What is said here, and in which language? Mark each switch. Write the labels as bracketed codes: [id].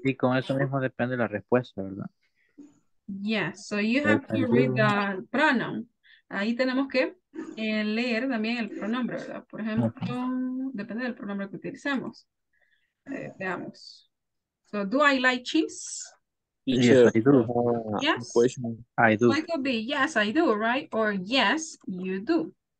[es] Y con eso mismo depende la respuesta, ¿verdad? [en] Yeah, so you have to read the pronoun. [es] Ahí tenemos que leer también el pronombre, ¿verdad? Por ejemplo, depende del pronombre que utilicemos. Veamos. [en] So, do I like cheese? Yes, I do. Yes, I do. It could be yes, I do, right? Or yes, you do.